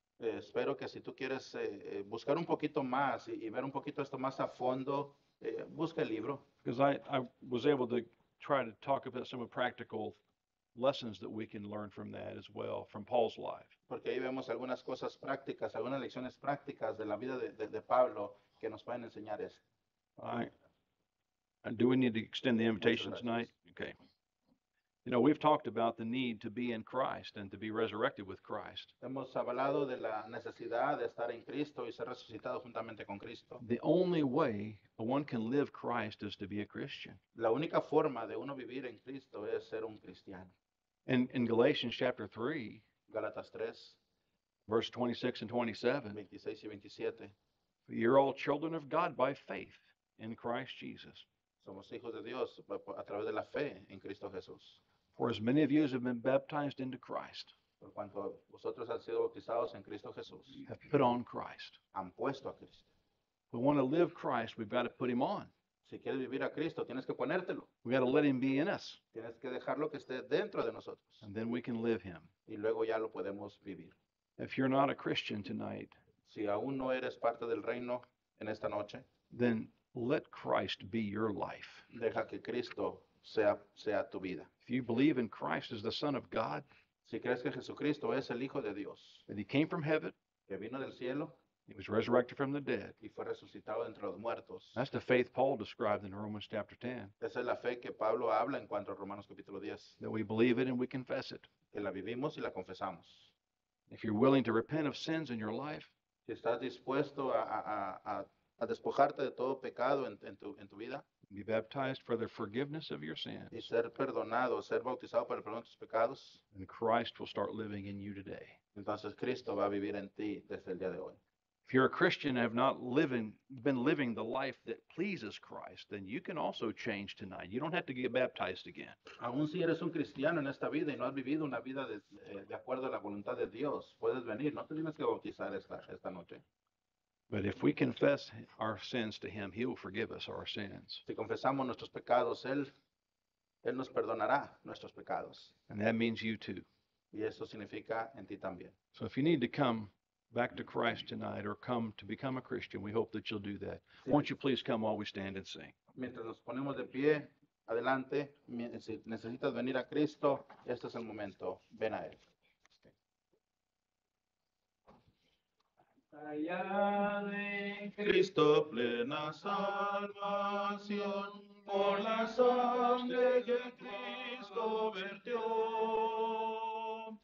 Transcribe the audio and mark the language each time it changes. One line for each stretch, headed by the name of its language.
Spanish: Espero que si tú quieres buscar un poquito más y ver un poquito esto más a fondo, busca el libro.
English: Because I was able to try to talk about some of the practical lessons that we can learn from that as well, from Paul's life.
Spanish: Porque ahí vemos algunas cosas prácticas, algunas lecciones prácticas de la vida de Pablo que nos pueden enseñar esto.
English: And do we need to extend the invitation tonight? Okay. You know, we've talked about the need to be in Christ and to be resurrected with Christ.
Spanish: Hemos hablado de la necesidad de estar en Cristo y ser resucitado juntamente con Cristo.
English: The only way one can live Christ is to be a Christian.
Spanish: La única forma de uno vivir en Cristo es ser un cristiano.
English: In Galatians chapter 3,
Spanish: Galatas 3,
English: verse 26 and
Spanish: 27, 26 y
English: 27, you're all children of God by faith in Christ Jesus.
Spanish: Somos hijos de Dios a través de la fe en Cristo Jesús.
English: For as many of you as have been baptized into Christ,
Spanish: por cuanto vosotros han sido bautizados en Cristo Jesús,
English: have put on Christ.
Spanish: Han puesto a Cristo.
English: We want to live Christ, we've got to put him on.
Spanish: Si quieres vivir a Cristo, tienes que ponértelo.
English: We've got to let him be in us.
Spanish: Tienes que dejarlo que esté dentro de nosotros.
English: And then we can live him.
Spanish: Y luego ya lo podemos vivir.
English: If you're not a Christian tonight,
Spanish: si aún no eres parte del reino en esta noche,
English: then let Christ be your life.
Spanish: Deja que Cristo sea tu vida.
English: If you believe in Christ as the Son of God,
Spanish: si crees que Jesucristo es el Hijo de Dios,
English: and he came from heaven,
Spanish: que vino del cielo,
English: he was resurrected from the dead,
Spanish: y fue resucitado entre los muertos.
English: That's the faith Paul described in Romans chapter 10.
Spanish: Esa es la fe que Pablo habla en cuanto a Romanos capítulo 10.
English: That we believe it and we confess it.
Spanish: Que la vivimos y la confesamos.
English: If you're willing to repent of sins in your life,
Spanish: si estás dispuesto a despojarte de todo pecado en tu vida.
English: Be baptized for the forgiveness of your sins.
Spanish: Y ser perdonado, ser bautizado para el perdón de tus pecados.
English: And Christ will start living in you today.
Spanish: Entonces Cristo va a vivir en ti desde el día de hoy.
English: If you're a Christian and have not been living the life that pleases Christ, then you can also change tonight. You don't have to get baptized again.
Spanish: Aún si eres un cristiano en esta vida y no has vivido una vida de acuerdo a la voluntad de Dios, puedes venir. No te tienes que bautizar esta noche.
English: But if we confess our sins to him, he will forgive us our sins.
Spanish: Si confesamos nuestros pecados, él nos perdonará nuestros pecados.
English: And that means you too.
Spanish: Y eso significa en ti también.
English: So if you need to come back to Christ tonight or come to become a Christian, we hope that you'll do that.
Spanish: Sí.
English: Won't you please come while we stand and sing?
Spanish: Mientras nos ponemos de pie, adelante, si necesitas venir a Cristo, este es el momento. Ven a él. Hallad en Cristo plena salvación por la sangre que Cristo vertió.